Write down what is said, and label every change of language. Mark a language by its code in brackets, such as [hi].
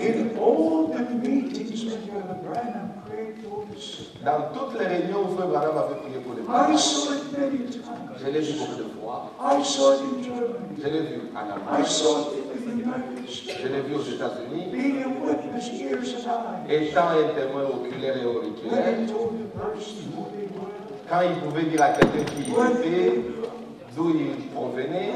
[en] In all the meetings that Brother Branham prayed for us. [fr] Dans toutes les réunions où Frère Branham avait prié pour les pauvres. [en] I saw it many times. [fr] Je l'ai vu beaucoup de fois. [en] I saw it in Germany. [fr] Je l'ai vu en Allemagne. [en] I saw it in the United States. [fr] Je l'ai vu aux États-Unis. [en] Being a witness, ears and eyes. [fr] Étant un témoin oculaire et auriculaire. [en] When he told the person who they were. [fr] Quand il pouvait dire à quelqu'un qui il était, d'où il provenait.